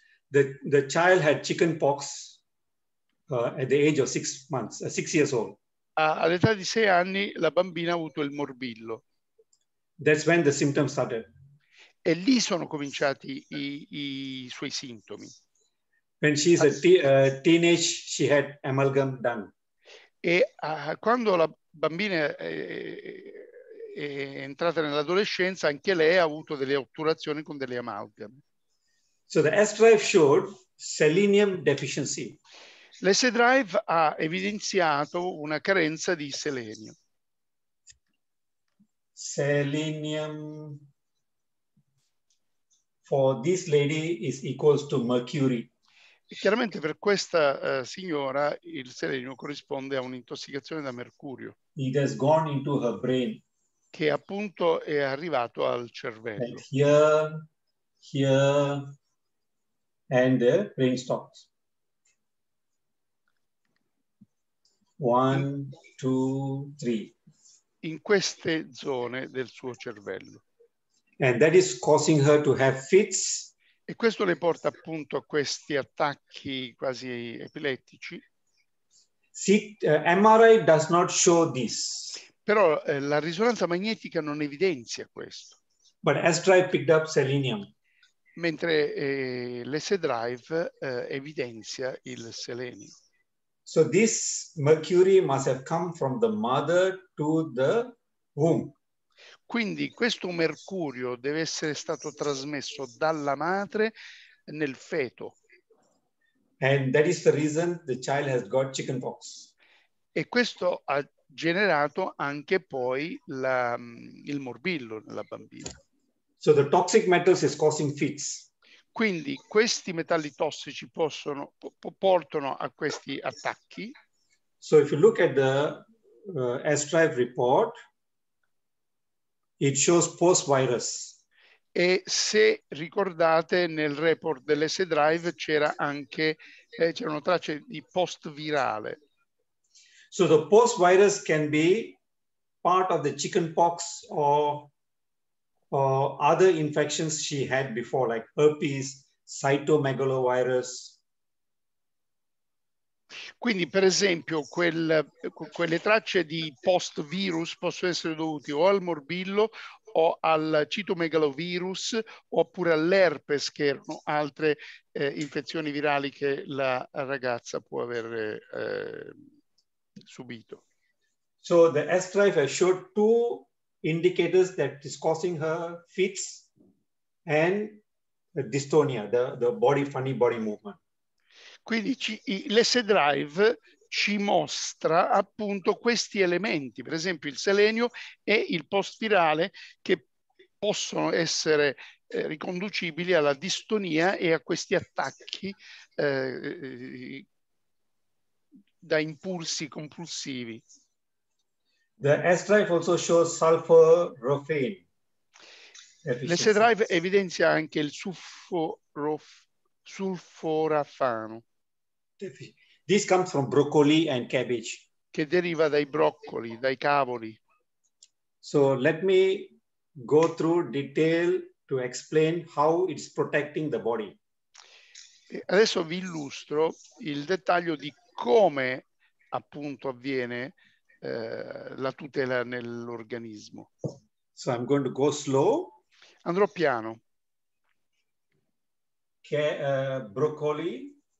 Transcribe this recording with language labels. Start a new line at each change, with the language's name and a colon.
English: the child had chicken pox at the age of 6 months, 6 years old.
Italian: All'età di 6 anni la bambina ha avuto il morbillo.
English: That's when the symptoms started.
Italian: E lì sono cominciati i suoi sintomi.
English: When she's a teenage, she had amalgam done.
Italian: E quando la bambina è entrata nell'adolescenza, anche lei ha avuto delle otturazioni con delle amalgame.
English: So the S-drive showed selenium deficiency.
Italian: L'S-drive ha evidenziato una carenza di selenio.
English: Selenium for this lady is equals to mercury.
Italian: E chiaramente per questa signora il selenio corrisponde a un'intossicazione da mercurio.
English: It has gone into her brain.
Italian: Che appunto è arrivato al cervello.
English: And here. And the brain stops. One, two, three.
Italian: In queste zone del suo cervello.
English: And that is causing her to have fits.
Italian: E questo le porta appunto a questi attacchi quasi epilettici.
English: MRI does not show this.
Italian: Però la risonanza magnetica non evidenia questo.
English: But S-drive picked up selenium.
Italian: Mentre l'S-drive evidenzia il selenio.
English: So this mercury must have come from the mother to the womb.
Italian: Quindi questo mercurio deve essere stato trasmesso dalla madre nel feto.
English: And that is the reason the child has got chickenpox.
Italian: E questo ha generato anche poi il morbillo nella bambina.
English: So the toxic metals is causing fits.
Italian: Quindi questi metalli tossici portano a questi attacchi.
English: So if you look at the S-drive report, it shows post-virus.
Italian: E se ricordate nel report dell'S-drive c'erano tracce di post-virale.
English: So the post-virus can be part of the chickenpox or other infections she had before, like herpes, cytomegalovirus.
Italian: Quindi, per esempio, quelle tracce di post-virus possono essere dovute o al morbillo o al citomegalovirus oppure all'herpes, che erano altre infezioni virali che la ragazza può aver subito.
English: So the S-drive has showed two indicators that is causing her fits and the dystonia, the body, funny body movement.
Italian: Quindi l'S-drive ci mostra appunto questi elementi, per esempio il selenio e il post-virale, che possono essere riconducibili alla distonia e a questi attacchi da impulsi compulsivi.
English: The S-drive also shows sulforaphane.
Italian: L'S-drive evidenzia anche il sulforafano.
English: This comes from broccoli and cabbage.
Italian: Che deriva dai broccoli, dai cavoli.
English: So let me go through detail to explain how it's protecting the body.
Italian: Adesso vi illustro il dettaglio di come appunto avviene la tutela nell'organismo.
English: So I'm going to go slow.
Italian: Andrò piano. Che broccoli,